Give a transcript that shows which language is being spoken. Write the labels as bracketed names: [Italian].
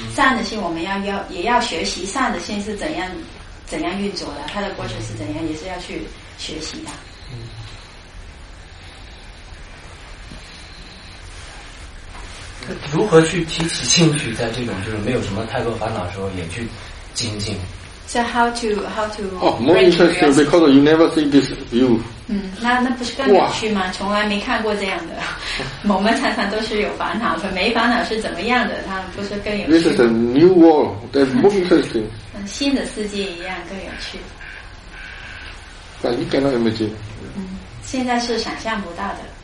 [Chinese] 善的心我们要学习善的心是怎样运作的，它的过程是怎样，也是要去学习的。如何去提起兴趣，在这种就是没有什么太多烦恼的时候，也去精进？ [English] So how to more interesting because you never see this view. [Chinese] 嗯，那不是更有趣吗？从来没看过这样的，我们常常都是有烦恼的，没烦恼是怎么样的？它不是更有趣 [English] ？This is a new world. That's more interesting. [Chinese] 嗯，新的世界一样更有趣。 [English] But you cannot imagine. [Chinese] 嗯，现在是想象不到的。